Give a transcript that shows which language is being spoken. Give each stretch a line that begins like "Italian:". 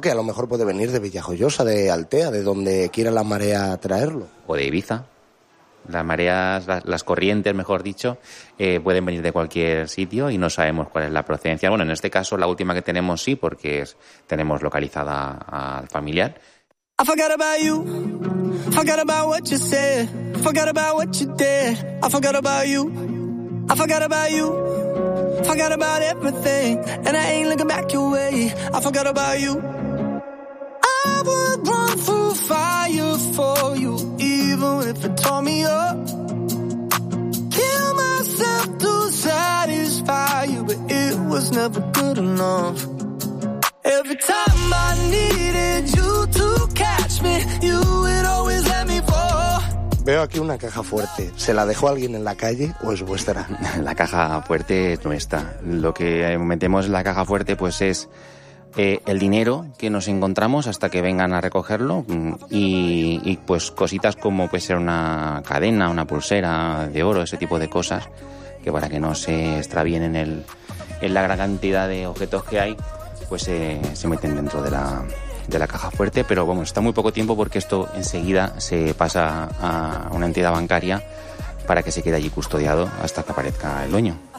Spanish: Que a lo mejor puede venir de Villajoyosa, de Altea, de donde quiera la marea traerlo. O de Ibiza. Las mareas, las corrientes, mejor dicho, pueden venir de cualquier sitio y no sabemos cuál es la procedencia. Bueno, en este caso, la última que tenemos sí, porque tenemos localizada al familiar.
English: I forgot about you. Forgot about what you said. Forgot about what you did. I forgot about you. I forgot about you. Forgot about everything, and I ain't looking back your way. I forgot about you. I would run through fire for you, even if it tore me up. Kill myself to satisfy you, but it was never good enough. Every time I needed you to catch me, you would always let me fall.
Spanish: Veo aquí una caja fuerte. ¿Se la dejó alguien en la calle o es vuestra? La caja fuerte es nuestra. Lo que metemos en la caja fuerte pues es el dinero que nos encontramos hasta que vengan a recogerlo y pues cositas como puede ser una cadena, una pulsera de oro, ese tipo de cosas, que para que no se extravíen en la gran cantidad de objetos que hay, pues se meten dentro de la caja fuerte, pero bueno, está muy poco tiempo porque esto enseguida se pasa a una entidad bancaria para que se quede allí custodiado hasta que aparezca el dueño.